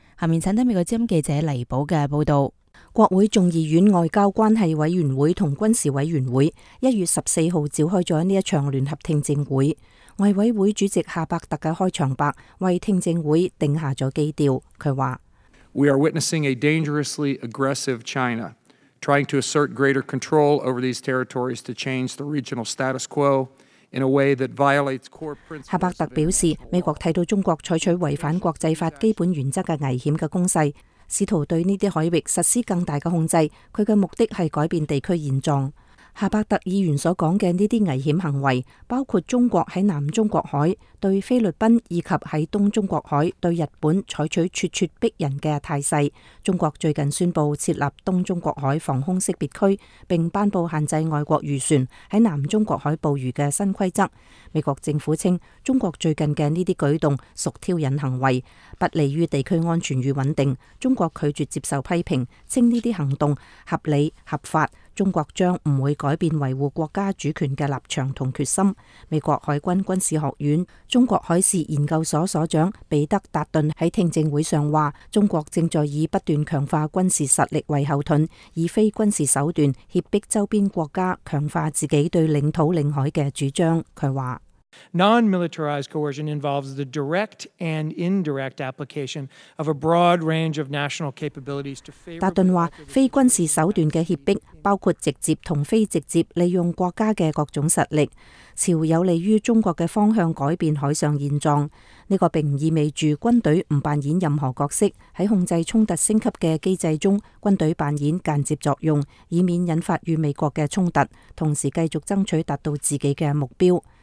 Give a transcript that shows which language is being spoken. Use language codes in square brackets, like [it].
[zh] 下面请听美国之音记者黎宝的报道。国会众议院外交关系委员会和军事委员会1月14日召开了这一场联合听证会。外委会主席夏伯特的开场白为听证会定下了基调。他说， [en] We are witnessing a dangerously aggressive China trying to assert greater control over these territories to change the regional status quo in a way that violates core principles. [zh] 夏伯特表示，美国看到中国采取违反国际法基本原则的危险的攻势，试图对这些海域实施更大的控制，他的目的是改变地区现状。夏伯特议员所说的这些危险行为包括中国在南中国海对菲律宾以及在东中国海对日本采取咄咄逼人的态势。中国最近宣布设立东中国海防空识别区，并颁布限制外国渔船在南中国海捕鱼的新规则。美国政府称中国最近的这些举动属挑衅行为，不利于地区安全与稳定。中国拒绝接受批评，称这些行动合理合法，中国将不会改变维护国家主权的立场和决心。美国海军军事学院中国海事研究所所长彼得·达顿在听证会上说，中国正在以不断强化军事实力为后盾，以非军事手段胁迫周边国家强化自己对领土领海的主张。他说， [en] Non-militarized coercion involves the direct and indirect application of a broad range of national capabilities to favor. [zh] 达顿说，非军事手段的胁迫包括直接和非直接利用国家的各种实力，朝有利于中国的方向改变海上现状。这个并不意味着军队不扮演任何角色，在控制冲突升级的机制中，军队扮演间接作用，以免引发与美国的冲突，同时继续争取达到自己的目标。